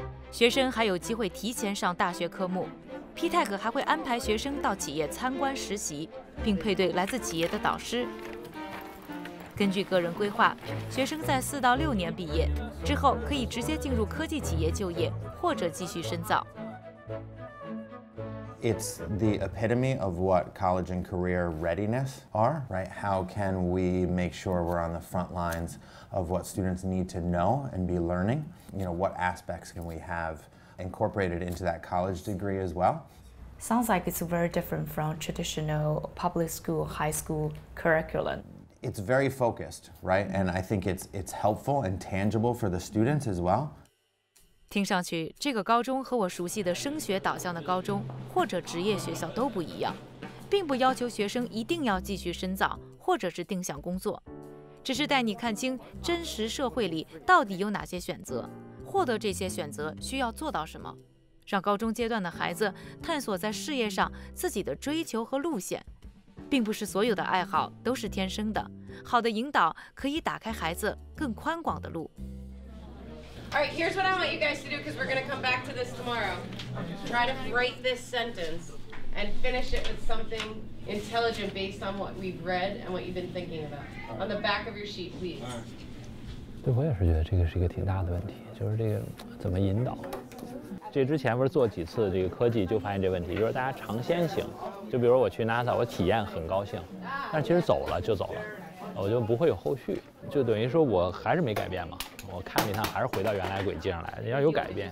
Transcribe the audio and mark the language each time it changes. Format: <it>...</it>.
<zh>学生还有机会提前上大学科目 ，P-Tech 还会安排学生到企业参观实习，并配对来自企业的导师。根据个人规划，学生在4到6年毕业之后，可以直接进入科技企业就业或者继续深造。</zh> <en>It's the epitome of what college and career readiness are, right? How can we make sure we're on the front lines of what students need to know and be learning? You know, what aspects can we have incorporated into that college degree as well? Sounds like it's very different from traditional public school, high school curriculum. It's very focused, right? And I think it's helpful and tangible for the students as well.</en> <zh>听上去，这个高中和我熟悉的升学导向的高中或者职业学校都不一样，并不要求学生一定要继续深造或者是定向工作，只是带你看清真实社会里到底有哪些选择，获得这些选择需要做到什么，让高中阶段的孩子探索在事业上自己的追求和路线，并不是所有的爱好都是天生的，好的引导可以打开孩子更宽广的路。</zh> <en>All right, here's what I want you guys to do because we're going to come back to this tomorrow. Try to write this sentence and finish it with something intelligent based on what we've read and what you've been thinking about. On the back of your sheet, please.</en> <zh>对，我也是觉得这个是一个挺大的问题，就是这个怎么引导。这之前不是做几次这个科技就发现这问题，就是大家尝鲜型，就比如我去 NASA 我体验很高兴，但其实走了就走了，我就不会有后续，就等于说我还是没改变嘛，我看了一趟还是回到原来轨迹上来，要有改变</zh>